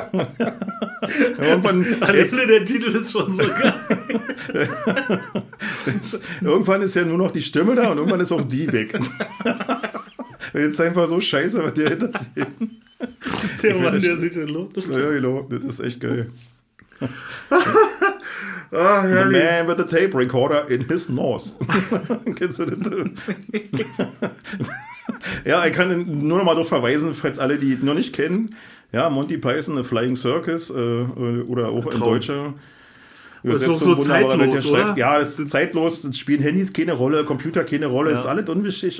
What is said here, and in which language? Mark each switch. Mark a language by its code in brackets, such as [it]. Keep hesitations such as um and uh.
[de] irgendwann, Alles äh, ist, der Titel ist schon so geil. irgendwann ist ja nur noch die Stimme da und irgendwann ist auch die weg. Jetzt ist einfach so scheiße, was der hinterzieht der Mann, der, der sieht den Lotus. Ja, das ist echt geil. [en] oh, the man with the tape recorder in his nose. [de] Kennst du das? ja, ich kann nur noch mal darauf verweisen, falls alle die noch nicht kennen. Ja, Monty Python, The Flying Circus äh, oder auch Traum. in Deutscher. Das ist, es ist so zeitlos, der oder? Schreibt. Ja, es ist zeitlos. Es spielen Handys keine Rolle, Computer keine Rolle. Ja. Es ist alles unwichtig.